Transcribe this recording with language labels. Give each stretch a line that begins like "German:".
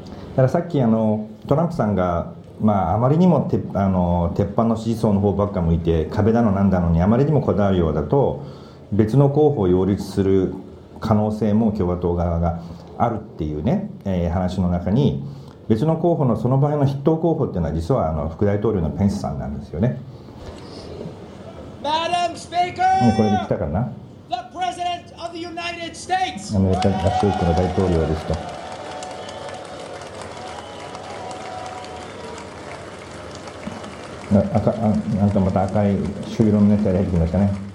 Japanese: だからさっきトランプさんが、あまりにも鉄板の支持層の方ばっか向いて、壁だのなんだのにあまりにもこだわるようだと、別の候補を擁立する可能性も共和党側があるっていうね、話の中に、別の候補のその場合の筆頭候補っていうのは実は副大統領のペンスさんなんですよね。
English: Madam Speaker!
Japanese: もうこれで来たかな。
English: The President of the United States!
Japanese: アメリカ合衆国の大統領ですと。なんかまた赤い朱色のネクタイが入ってきましたね。